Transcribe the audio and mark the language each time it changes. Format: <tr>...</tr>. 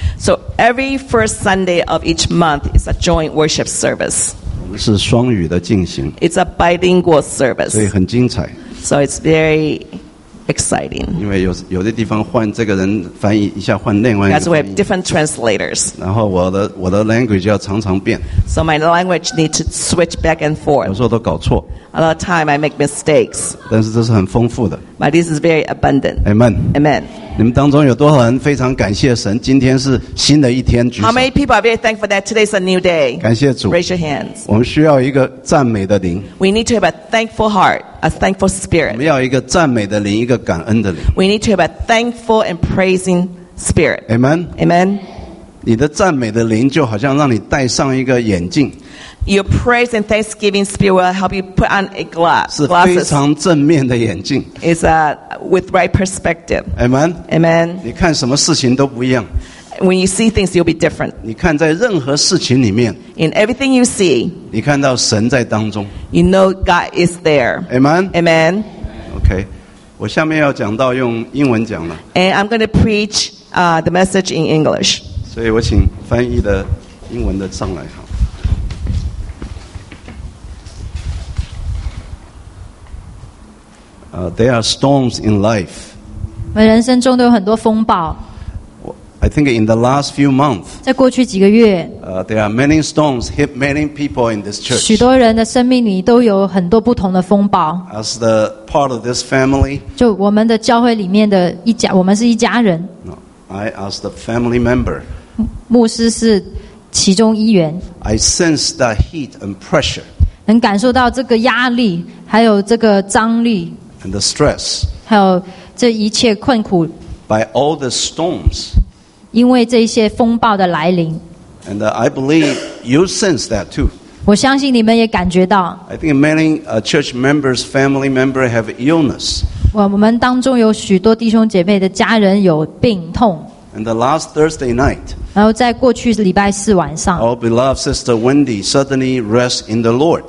<en>So every first Sunday of each month is a joint worship service.</en> <zh>我们是双语的进行。</zh> <en>It's a bilingual service.</en> <zh>所以很精彩。</zh> <en>So it's very exciting.</en> <zh>因为有的地方换这个人翻译一下，换另外一个。</zh> <en>That's why we have different translators.</en> <zh>然后我的 language 要常常变。</zh> <en>So my language needs to switch back and forth.</en> <zh>有时候都搞错。</zh> <en>A lot of time I make mistakes.</en> <zh>但是这是很丰富的。</zh> <en>But this is very abundant. Amen. Amen.</en> <zh>你们当中有多少人非常感谢神？今天是新的一天，举手。</zh> <en>How many people are very thankful that today's a new day?</en> <zh>感谢主。</zh> <en>Raise your hands.</en> <zh>我们需要一个赞美的灵。</zh> <en>We need to have a thankful heart, a thankful spirit.</en> <zh>我们要一个赞美的灵，一个感恩的灵。</zh> <en>We need to have a thankful and praising spirit. Amen. Amen.</en> <zh>你的赞美的灵就好像让你戴上一个眼镜。</zh> <en>Your praise and thanksgiving spirit will help you put on a glass.</en> <zh>是非常正面的眼镜。</zh> <en>It's a with right perspective. Amen. Amen.</en> <zh>你看什么事情都不一样。</zh> <en>When you see things, you'll be different.</en> <zh>你看在任何事情里面。</zh> <en>In everything you see.</en> <zh>你看到神在当中。</zh> <en>You know God is there. Amen. Amen.</en> <zh>Okay, 我下面要讲到用英文讲了。</zh> <en>And I'm going to preach the message in English.</en> <zh>所以我请翻译的英文的上来。</zh> <en>There are storms in life.</en> <zh>我人生中都有很多风暴。</zh> <en>I think in the last few months.</en> <zh>在过去几个月。</zh> <en>There are many storms hit many people in this church.</en> <zh>许多人的生命里都有很多不同的风暴。</zh> <en>As the part of this family.</en> <zh>就我们的教会里面的一家，我们是一家人。</zh> <en>No, I as the family member.</en> <zh>牧师是其中一员。</zh> <en>I sense the heat and pressure.</en> <zh>能感受到这个压力，还有这个张力。</zh> <en>And the stress.</en> <zh>还有这一切困苦。</zh> <en>By all the storms.</en> <zh>因为这些风暴的来临。</zh> <en>And I believe you sense that too.</en> <zh>我相信你们也感觉到。</zh> <en>I think many church members, family members have illness.</en> <zh>我们当中有许多弟兄姐妹的家人有病痛。</zh> <en>And the last Thursday night.</en> <zh>然后在过去礼拜四晚上。</zh> <en>Our beloved sister Wendy suddenly rests in the Lord.</en>